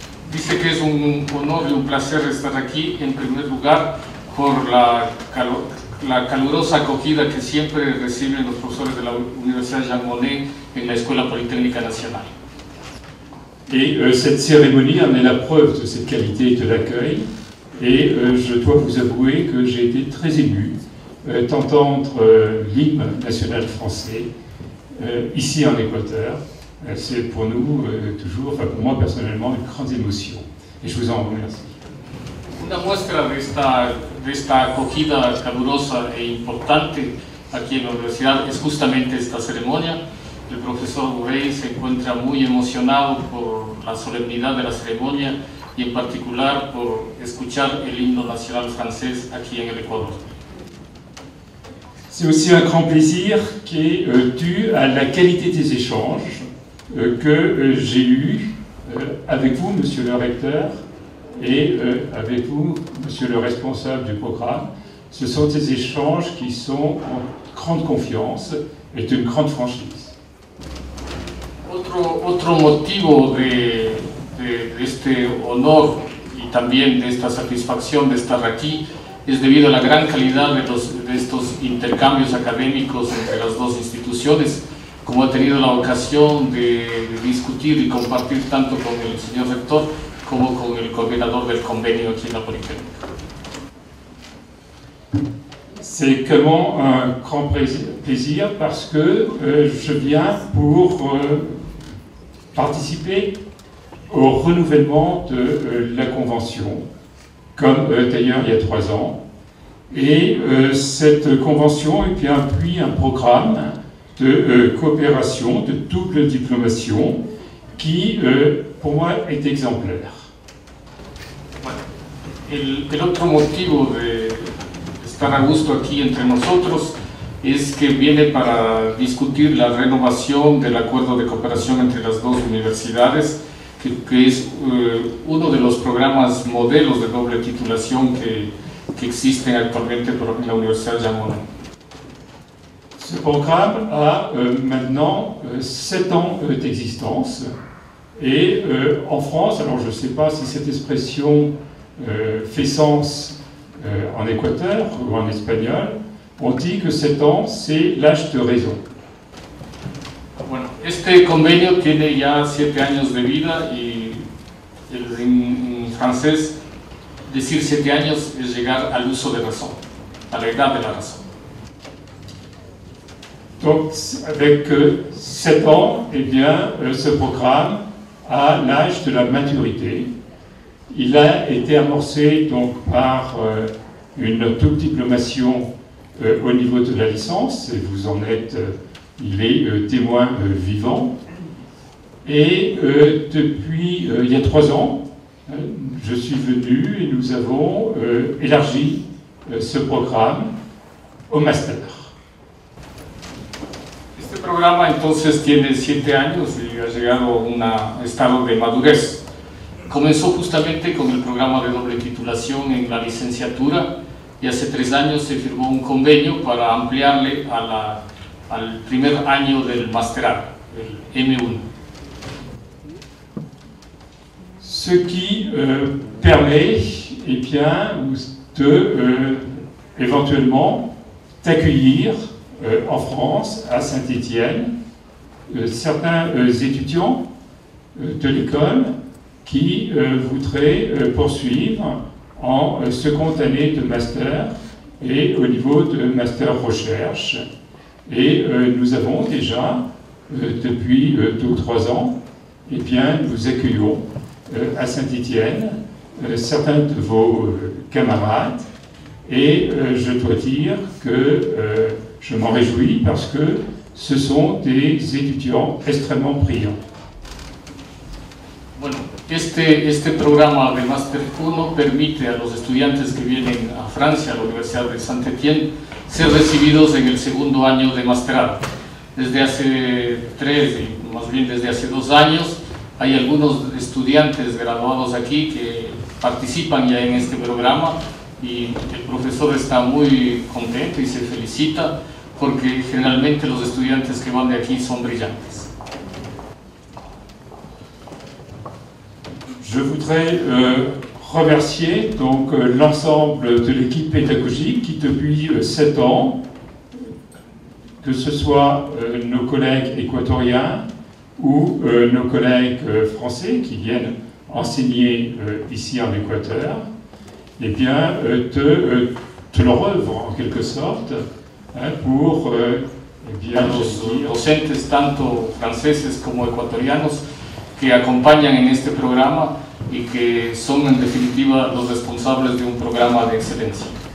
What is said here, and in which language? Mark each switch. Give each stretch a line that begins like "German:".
Spanish: Dice que es un honor y un placer estar aquí en primer lugar por la calurosa acogida que siempre reciben los profesores de la Universidad Jean Monnet en la Escuela Politécnica Nacional.
French: Et cette cérémonie en est la preuve de cette qualité de l'accueil. Et je dois vous avouer que j'ai été très ému d'entendre l'hymne national français ici en Équateur. C'est pour nous toujours, enfin pour moi personnellement, une grande émotion. Et je vous en remercie.
Spanish: Una muestra de esta acogida calurosa e importante aquí en la universidad es justamente esta ceremonia. El profesor Borrell se encuentra muy emocionado por la solemnidad de la ceremonia y en particular por escuchar el himno nacional francés aquí en el Ecuador.
French: C'est aussi un grand plaisir qui est dû à la qualité des échanges que j'ai eu avec vous, monsieur le recteur, et avec vous, monsieur le responsable du programme. Ce sont des échanges qui sont en grande confiance et d'une grande franchise. Autre motif de cet honneur et
Spanish: también
French: de cette satisfaction
Spanish: de estar aquí es debido a la gran calidad de, de estos intercambios académicos entre las dos instituciones. Como he tenido la ocasión de discutir y compartir tanto con el señor rector como con el coordinador del convenio aquí en la Politécnica.
French: C'est vraiment un grand plaisir parce que je viens pour participer au renouvellement de la convention, comme d'ailleurs il y a 3 ans. Et cette convention est bien puis un programme de coopération, de double diplomation, qui pour moi est exemplaire.
Spanish: El otro motivo de estar a gusto aquí entre nosotros es que viene para discutir la renovación del acuerdo de cooperación entre las dos universidades, que es uno de los programas modelos de doble titulación que existen actualmente por la Universidad de Amor.
French: Ce programme a maintenant 7 ans d'existence et en France, alors je ne sais pas si cette expression fait sens en Équateur ou en espagnol, on dit que 7 ans, c'est l'âge de raison.
Spanish: Bueno, este convenio tiene ya 7 años de vida y en francés decir 7 años es llegar al uso de razón, a la edad de la razón.
French: Donc avec 7 ans, eh bien, ce programme a l'âge de la maturité. Il a été amorcé donc par une double diplomation au niveau de la licence, et vous en êtes il est témoin vivant. Et depuis il y a 3 ans, je suis venu et nous avons élargi ce programme au master.
Spanish: Este programa entonces tiene 7 años y ha llegado a un estado de madurez. Comenzó justamente con el programa de doble titulación en la licenciatura y hace 3 años se firmó un convenio para ampliarle a la al primer año del masterado, el M1.
French: Ce qui permet et bien de éventuellement t'accueillir en France, à Saint-Étienne, certains étudiants de l'école qui voudraient poursuivre en seconde année de master et au niveau de master recherche. Et nous avons déjà, depuis 2 ou 3 ans, eh bien, nous accueillons à Saint-Étienne certains de vos camarades. Et je dois dire que je m'en réjouis parce que ce sont des étudiants extrêmement brillants.
Spanish: Bueno, este programa de Master 1 permite a los estudiantes que vienen a Francia, a la Universidad de Saint-Étienne, ser recibidos en el segundo año de masterado. Desde hace 3, más bien desde hace 2 años, hay algunos estudiantes graduados aquí que participan ya en este programa y el profesor está muy contento y se felicita porque generalmente los estudiantes que van de aquí son brillantes.
French: Je voudrais remercier donc l'ensemble de l'équipe pédagogique qui depuis 7 ans, que ce soit nos collègues équatoriens, ou nos collègues français qui viennent enseigner ici en Équateur, eh bien, te leur œuvre en quelque sorte hein, pour eh bien,
Spanish: los docentes tanto franceses como ecuatorianos que acompañan en este programa y que son en definitiva los responsables de un programa de excelencia.